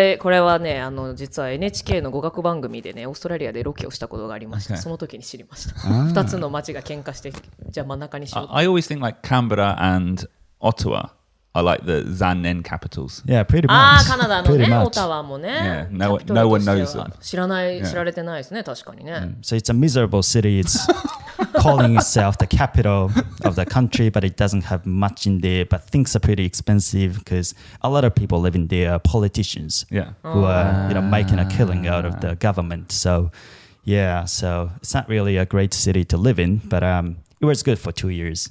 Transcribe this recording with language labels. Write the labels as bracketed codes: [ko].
[ja] 私これはね、あの実は NHK の語学番組でね、オーストラリアでロケをしたことがありました。その時に知りました。二つの町が喧嘩して、じゃあ真ん中にしよう。 [en] I always think like Canberra and Ottawa are like the Zanen capitals. Yeah, pretty much. [ja] あ、カナダのね、オタワもね。 [en] Yeah, no one knows them. [ja] 知らない、知られてないですね、確かにね。 [en] So it's a miserable city. It's calling itself the capital of the country, but it doesn't have much in there. But things are pretty expensive because a lot of people live in there, politicians, who are you know, making a killing out of the government. So, yeah, so it's not really a great city to live in, but it was good for 2 years.